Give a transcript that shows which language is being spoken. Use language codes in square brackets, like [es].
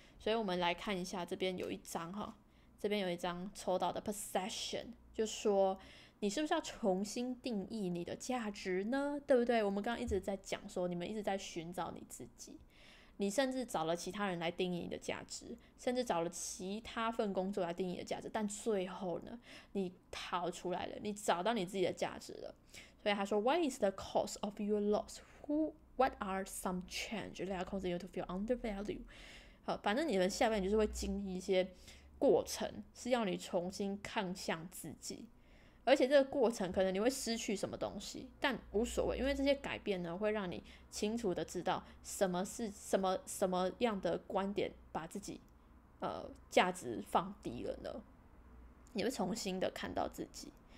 [zh] 所以我们来看一下这边有一张哈，这边有一张抽到的 possession， 就说你是不是要重新定义你的价值呢，对不对？我们刚刚一直在讲说你们一直在寻找你自己，你甚至找了其他人来定义你的价值，甚至找了其他份工作来定义你的价值，但最后呢，你逃出来了，你找到你自己的价值了。所以他说 [en] What is the cause of your loss? What are some change that causes you to feel undervalued? [zh] 好，反正你们下半年就是会经历一些过程，是要你重新看向自己，而且这个过程可能你会失去什么东西，但无所谓，因为这些改变呢会让你清楚的知道什么样的观点把自己价值放低了呢，你会重新的看到自己。